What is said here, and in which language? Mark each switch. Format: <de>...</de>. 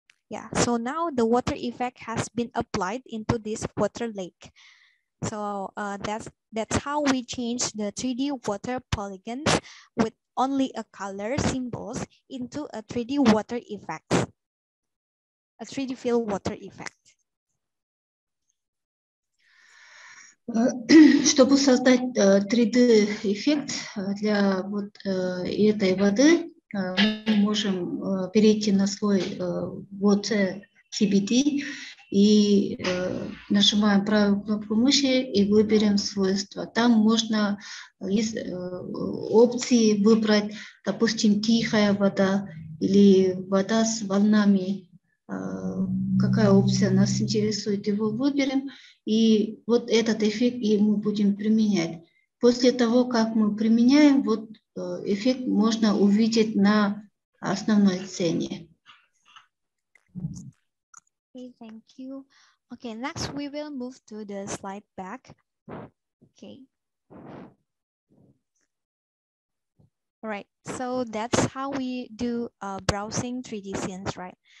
<en>Yeah, so now the water effect has been applied into this water lake. So that's how we change the 3D water polygons with only a color symbols into a 3D water effect, a 3D fill water effect.</en> <ru>Чтобы создать 3D эффект для вот этой воды, мы можем перейти на слой Water CBD и нажимаем правую кнопку мыши и выберем свойства. Там можно из опции выбрать, допустим, тихая вода или вода с волнами. Какая опция нас интересует, его выберем. И вот этот эффект мы будем применять. После того, как мы применяем, вот эффект можно увидеть на основной сцене.</ru> <en>Okay, thank you. Okay, next we will move to the slide back. Okay. All right, so that's how we do browsing 3D scenes, right?</en>